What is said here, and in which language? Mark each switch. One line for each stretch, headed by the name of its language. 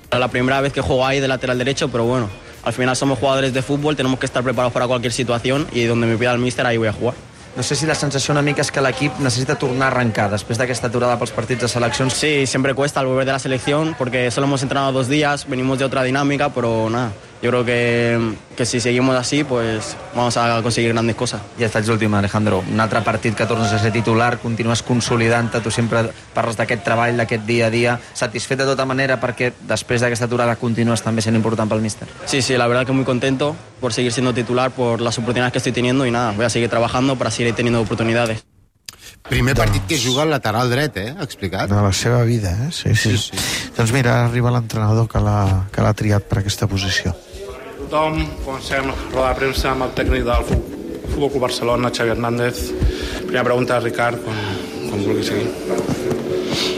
Spanish: La primera vez que juego ahí de lateral derecho, pero bueno, al final somos jugadores de fútbol, tenemos que estar preparados para cualquier situación y donde me pida el míster, ahí voy a jugar.
Catalan: No sé si la sensació una mica és que l'equip necessita tornar a arrencar després d'aquesta aturada pels partits de seleccions.
Spanish: Sí, siempre cuesta el volver de la selección porque solo hemos entrenado dos días, venimos de otra dinámica, pero nada, yo creo que si seguimos así, pues vamos a conseguir grandes cosas.
Catalan: Ja estàs l'última, Alejandro. Un altre partit que tornes a ser titular, continues consolidant-te, tu sempre parles d'aquest treball, d'aquest dia a dia, satisfet de tota manera perquè després d'aquesta aturada continues també sent important pel míster.
Spanish: Sí, sí, la verdad que muy contento por seguir siendo titular, por las oportunidades que estoy teniendo y nada, voy a seguir trabajando para seguir teniendo oportunidades.
Catalan: Primer partit que juga al lateral dret, explicat. De la seva vida, sí. Doncs mira, arriba l'entrenador que l'ha triat per aquesta posició. Tothom, comencem a rodar premsa amb el tècnic del Futbol Club Barcelona, Xavi Hernández. Primera pregunta, Ricard, com vulgui seguir.